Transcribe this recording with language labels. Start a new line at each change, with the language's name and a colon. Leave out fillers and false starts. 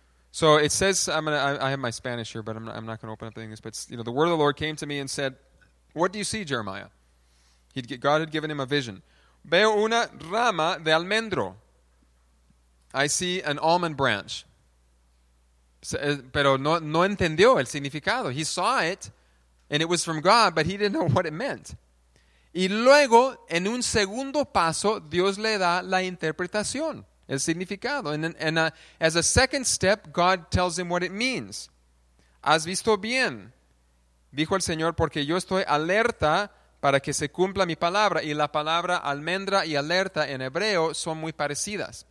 English: So it says, I have my Spanish here, but I'm not going to open up the English, but the word of the Lord came to me and said, what do you see, Jeremiah? God had given him a vision.
Spanish: Veo una rama de almendro.
English: I see an almond branch.
Spanish: Pero no entendió el significado.
English: He saw it, and it was from God, but he didn't know what it meant.
Spanish: Y luego, en un segundo paso, Dios le da la interpretación, el significado.
English: As a second step, God tells him what it means.
Spanish: Has visto bien, dijo el Señor, porque yo estoy alerta para que se cumpla mi palabra. Y la palabra almendra y alerta en hebreo son muy parecidas.